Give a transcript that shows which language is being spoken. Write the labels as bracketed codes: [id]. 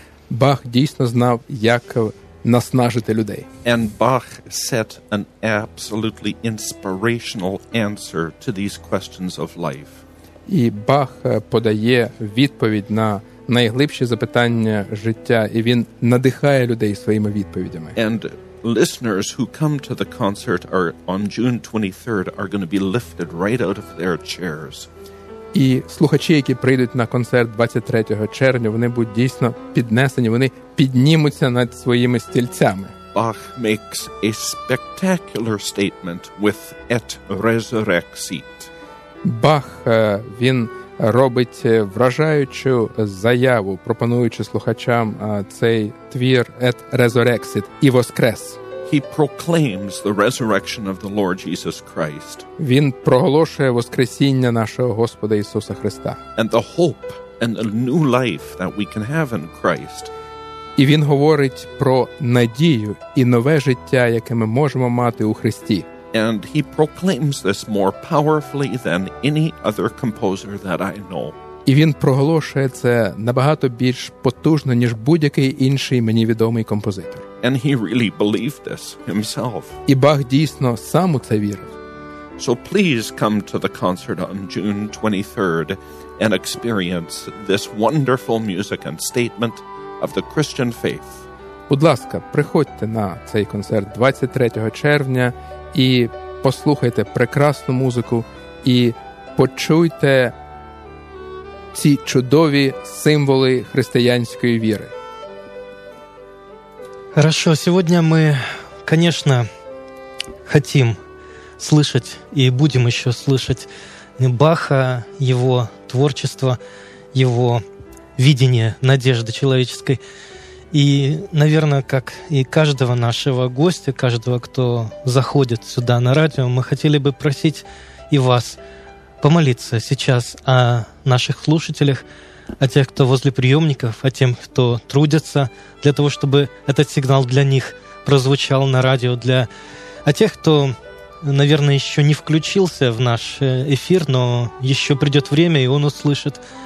[uk] Бах дійсно знав, як наснажити людей. [en] And Bach set an absolutely inspirational answer to these questions of life. [uk] І Бах подає відповідь на найглибші запитання життя, і він надихає людей своїми відповідями. [en] And listeners who come to the concert are on June 23rd are going to be lifted right out of their chairs. [uk] І слухачі, які прийдуть на концерт 23 червня, вони будуть дійсно піднесені, вони піднімуться над своїми стільцями. [en] Bach makes a spectacular statement with et resurrexit. [uk] Бах, він робить вражаючу заяву, пропонуючи слухачам цей твір «Et resurrexit» – «І воскрес». [en] He proclaims the resurrection of the Lord Jesus Christ. [uk] Він проголошує воскресіння нашого Господа Ісуса Христа. [en] And the hope and the new life that we can have in Christ. [uk] І він говорить про надію і нове життя, яке ми можемо мати у Христі. [en] And he proclaims this more powerfully than any other composer that I know. [uk] І він проголошує це набагато більш потужно, ніж будь-який інший мені відомий композитор. [en] And he really believed this himself. [uk] І Бах дійсно сам у це вірив. [en] So please come to the concert on June 23rd and experience this wonderful music and statement of the Christian faith. [uk] Будь ласка, приходьте на цей концерт 23 червня і послухайте прекрасну музику і почуйте ці чудові символи християнської віри. Хорошо, сьогодні ми, звісно, хочемо слухати і будемо ще слухати Баха, його творчество, його видіння надежди людської. [ru] И, наверное, как и каждого нашего гостя, каждого, кто заходит сюда на радио, мы хотели бы просить и вас помолиться сейчас о наших слушателях, о тех, кто возле приемников, о тем, кто трудится, для того, чтобы этот сигнал для них прозвучал на радио, для о тех, кто, наверное, еще не включился в наш эфир, но еще придет время, и он услышит.